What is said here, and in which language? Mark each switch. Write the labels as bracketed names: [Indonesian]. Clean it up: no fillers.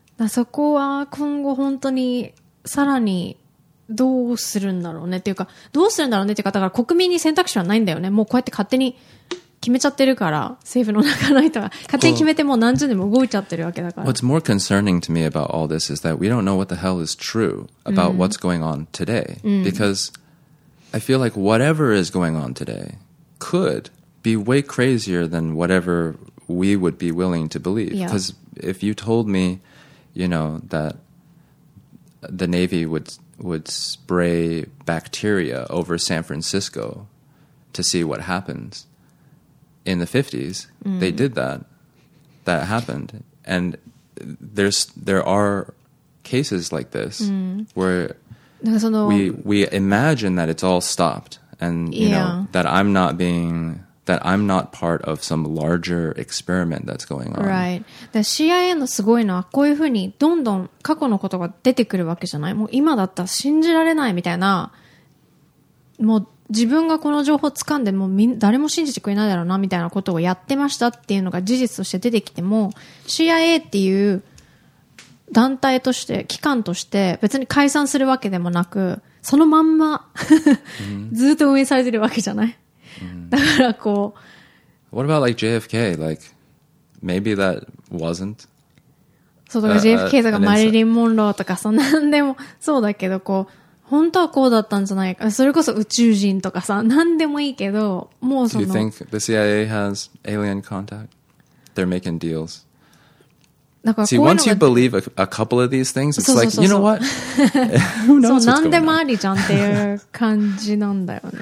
[Japanese] そこは今後本当にさらにどうするんだろうねっていうか、どうするんだろうねっていうか、だから国民に選択肢はないんだよね。もうこうやって勝手に決めちゃってるから、政府の中の人が勝手に決めてもう何十年も動いちゃってるわけだから。 [English] What's more concerning to me about all this is that we don't know what the hell is true about what's going on today. Because I feel like whatever is going on today could be way crazier than whatever we would be willing to believe. Because if you told me, you know, that the Navy would spray bacteria over San Francisco to see what happens. In the 50s, they did that. That happened. And there are cases like this where we imagine that it's all stopped. And, you know, that I'm not part of some larger experiment that's going on. Right. [Japanese] The CIA のすごいのはこういうふうにどんどん過去のことが出てくるわけじゃない。もう今だったら信じられないみたいな。もう自分がこの情報を掴んでもう誰も信じてくれないだろうなみたいなことをやってましたっていうのが事実として出てきても、CIA っていう団体として、機関として別に解散するわけでもなく、そのまんまずっと運営されてるわけじゃない。 [English] What about like JFK? Like, maybe that wasn't. [Japanese] そうだから JFK とかマリリン・モンローとかそんなんでもそうだけど、こう本当はこうだったんじゃないか。それこそ宇宙人とかさ、なんでもいいけど、もうその。 [English] Do you think the CIA has alien contact? They're making deals. [Japanese] だからこういうのが。 [English] See, once you believe a couple of these things, it's like, you know what? Who knows? [Japanese] そう、なんでもありじゃんっていう感じなんだよね。